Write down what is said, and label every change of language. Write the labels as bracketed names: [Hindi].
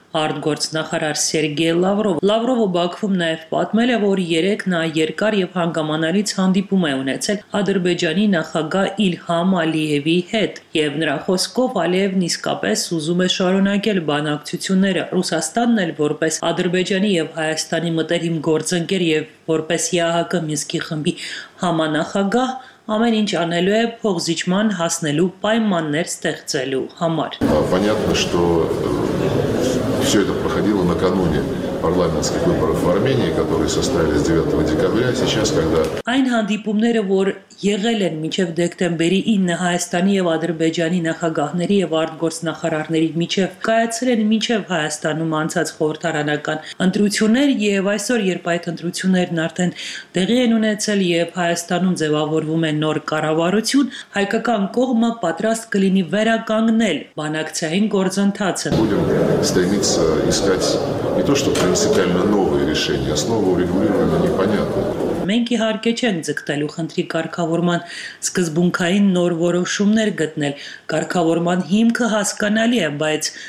[Armenian] արտգործնախարար Սերգեյ Լավրովը։ Լավրովը Բաքվում նաև պատմել է, որ երեք նա երկար և հանգամանալից հանդիպում է ունեցել Ադրբեջանի նախագահ Իլհամ Ալիևի հետ, և նրա խոսքով Ալիևն իսկապես ուզում է շարունակել բանակցությունները Ռուսաստանն էլ որպես Ադրբեջանի և Հայաստանի մտերիմ գործընկեր և որպես ԵԱՀԿ Մինսկի խմբի համանախագահ ամեն ինչ անելու է փողզիչման հասնելու պայմաններ ստեղծելու համար։ [Russian] Все это проходило накануне парламентских выборов в Армении, которые состоялись 9 декабря, сейчас, когда... [Armenian] Այն հանդիպումները, որ եղել են մինչև դեկտեմբերի 9-ը Հայաստանի և Ադրբեջանի նախագահների և արտգործնախարարների միջև, կայացրել են մինչև Հայաստանում անցած խորհրդարանական ընտրություններ, և այսօր, երբ այդ ընտրություններն արդեն տեղի են ունեցել և Հայաստանում ձևավորվում է նոր կառավարություն, հայկական կողմը պատրաստ կլինի վերականգնել բանակցային գործընթացը։ Մենք իհարկե չենք ձգտելու խնդրի կարգավորման սկզբունքային նոր որոշումներ գտնել։ Կարգավորման հիմքը հասկանալի է, բայց